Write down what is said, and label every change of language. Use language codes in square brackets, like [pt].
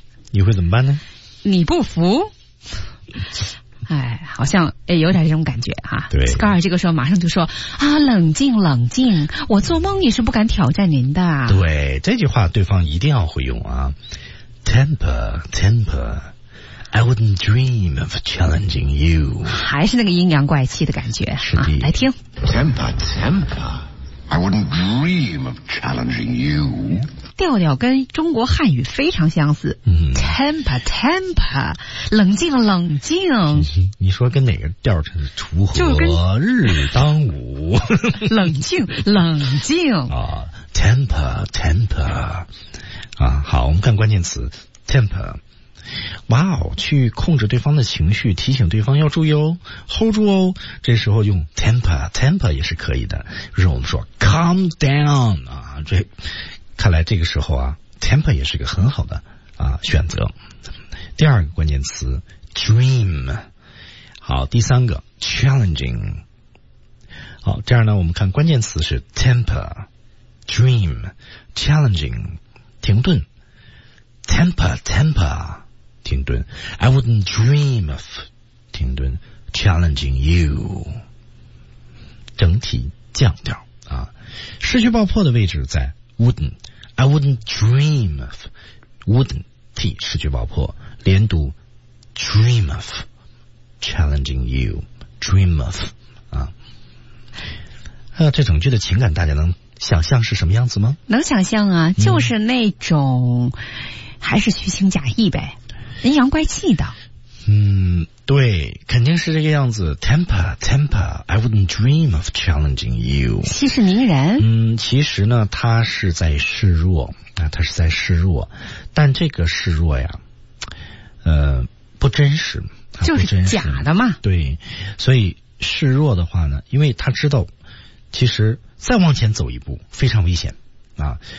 [zh] 你会怎么办呢？你不服？哎，好像哎，有点这种感觉哈、啊。对，斯卡尔这个时候马上就说：“啊，冷静，冷静，我做梦也是不敢挑战您的。” 对，这句话对方一定要会用啊。 [en] Temper, temper, I wouldn't dream of challenging you。 [zh] 还是那个阴阳怪气的感觉啊！来听。 [en] Temper, temper, I wouldn't dream of challenging you。 [zh] 调调跟中国汉语非常相似、嗯、 [en] temper temper [zh] 冷静冷静，你说跟哪个调是锄禾、就是、日当午冷静冷静啊 [en] temper temper [zh] 啊，好，我们看关键词 temper。哇哦，去控制对方的情绪，提醒对方要注意哦， hold 住哦，这时候用 [en] temper temper [zh] 也是可以的，就是我们说 [en] calm down [zh] 啊，这看来这个时候啊 temper 也是个很好的啊选择。第二个关键词 dream。好，第三个 challenging。好，这样呢我们看关键词是 temper dream challenging 停顿 temper temper 停顿 [en] I wouldn't dream of [zh] 停顿 [en] challenging you [zh] 整体降调啊，失去爆破的位置在 wouldn't。 [en] I wouldn't dream of, [zh] wouldn't 失去爆破，连读 [en] dream of challenging you, [zh] dream of 啊。这整句的情感大家能想象是什么样子吗？能想象啊，就是那种、嗯、还是虚情假意呗，阴阳怪气的。嗯，对，肯定是这个样子。 [en] Temper, temper, I wouldn't dream of challenging you. [zh] 息事宁人。嗯，其实呢，他是在示弱啊，他是在示弱，但这个示弱呀，不真实，就是假的嘛。对，所以示弱的话呢，因为他知道，其实再往前走一步非常危险啊。